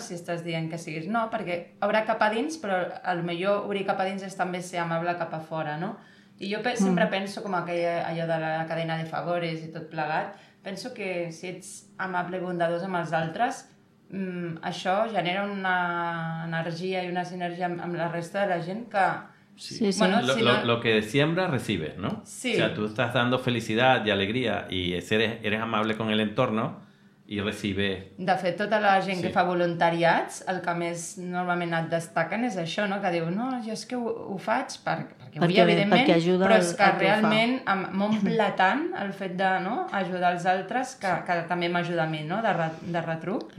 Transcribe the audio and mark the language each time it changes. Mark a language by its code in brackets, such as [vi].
[ca] Si estàs dient que siguis no, perquè obre cap a dins, però el millor obrir cap a dins és també ser amable cap a fora, no? I jo sempre penso com allò de la cadena de favores i tot plegat, penso que si ets amable i bondadós amb els altres, això genera una energia i una sinergia amb la resta de la gent que... Sí, sí. [es] Bueno, lo que siembra, recibe, ¿no? [ca] Sí. [es] O sea, tú estás dando felicidad y alegría y eres amable con el entorno y recibe... [ca] De fet, tota la gent sí. que fa voluntariats, el que més normalment et destaquen és això, no? Que diu, no, jo és que ho faig perquè vull, evidentment, perquè ajuda, però és que realment m'omple tant el fet de, no?, ajudar els altres que també m'ajuda a mi, no?, de retruc.